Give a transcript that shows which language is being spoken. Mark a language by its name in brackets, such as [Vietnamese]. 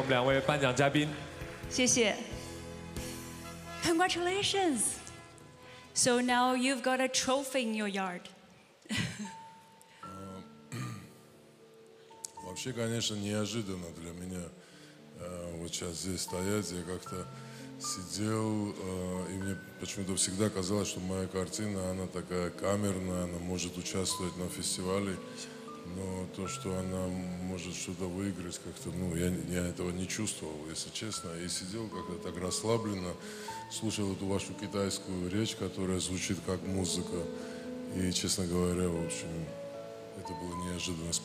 [Chinese] 谢谢我们两位颁奖嘉宾。谢谢。 [English] Congratulations! So now you've got a trophy in your yard. [Russian] 왜 конечно неожиданно для меня вот сейчас здесь стоять я как-то сидел и мне почему-то всегда казалось что моя картина она такая камерная она может участвовать на фестивале но то что она может что-то выиграть как-то ну я этого не чувствовал если честно и сидел как-то так расслабленно слушал эту вашу китайскую речь которая звучит как музыка и честно говоря в общем Это было неожиданно.